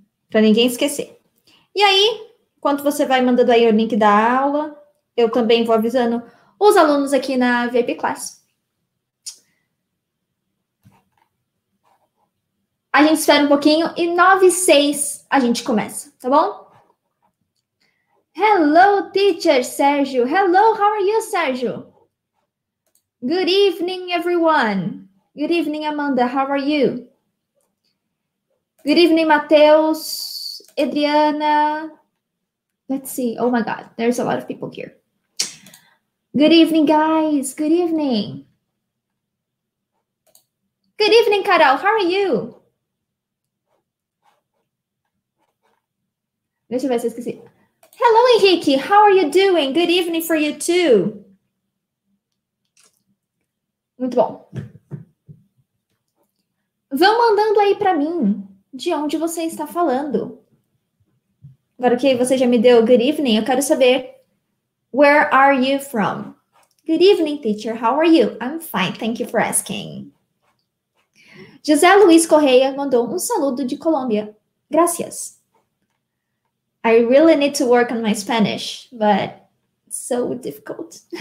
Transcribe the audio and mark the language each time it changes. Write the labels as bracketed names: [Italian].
[Portuguese] Para ninguém esquecer. E aí, enquanto você vai mandando aí o link da aula, eu também vou avisando os alunos aqui na VIP Class. A gente espera um pouquinho e 9:06 a gente começa, tá bom? [English] Hello, teacher Sérgio. Hello, how are you, Sérgio? Good evening, everyone. Good evening, Amanda. How are you? Good evening, Matheus, Adriana. Let's see. Oh, my God. There's a lot of people here. Good evening, guys. Good evening. Good evening, Carol. How are you? [Portuguese] Deixa eu ver se eu esqueci. [English] Hello, Henrique. How are you doing? Good evening for you, too. [Portuguese] Muito bom. Vão mandando aí para mim de onde você está falando. Agora que você já me deu [English] good evening, [Portuguese] eu quero saber [English] where are you from? Good evening, teacher. How are you? I'm fine. Thank you for asking. [Portuguese] José Luiz Correia mandou um saludo de Colômbia. [Spanish] Gracias. [English] I really need to work on my Spanish, but it's so difficult.